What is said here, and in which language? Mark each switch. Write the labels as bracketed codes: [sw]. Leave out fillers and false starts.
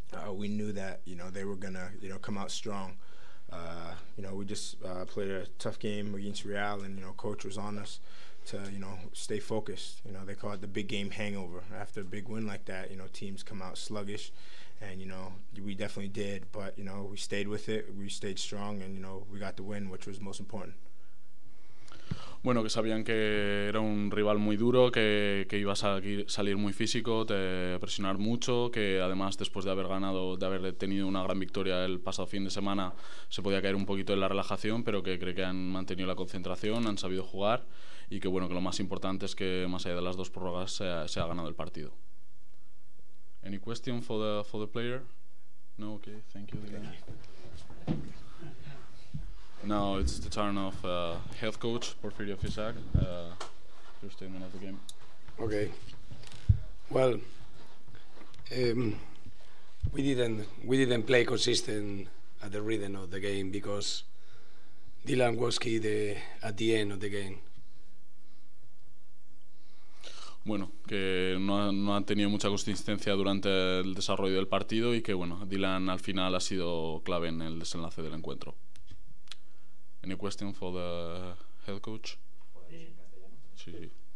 [en] We knew that, you know, they were going to, you know, come out strong. You know, we just played a tough game against Real, and, you know, coach was on us to, you know, stay focused. You know, they call it the big game hangover. After a big win like that, you know, teams come out sluggish, and, you know, we definitely did. But, you know, we stayed with it, we stayed strong, and, you know, we got the win, which was most important. [es] Bueno, que sabían que era un rival muy duro, que iba a salir muy físico, de presionar mucho, que además después de haber ganado, de haber tenido una gran victoria el pasado fin de semana, se podía caer un poquito en la relajación, pero que creo que han mantenido la concentración, han sabido jugar y que bueno, que lo más importante es que más allá de las dos prórrogas se ha ganado el partido. [en] Any question for the player? No, okay, thank you. Again. Now it's the turn of health coach Porfirio Fisac. Your statement of the game. Okay. Well, we didn't play consistent at the rhythm of the game because Dylan was key at the end of the game. [es] Bueno, que no han tenido mucha consistencia durante el desarrollo del partido y que bueno, Dylan al final ha sido clave en el desenlace del encuentro. [en] Any question for the head coach? Sí.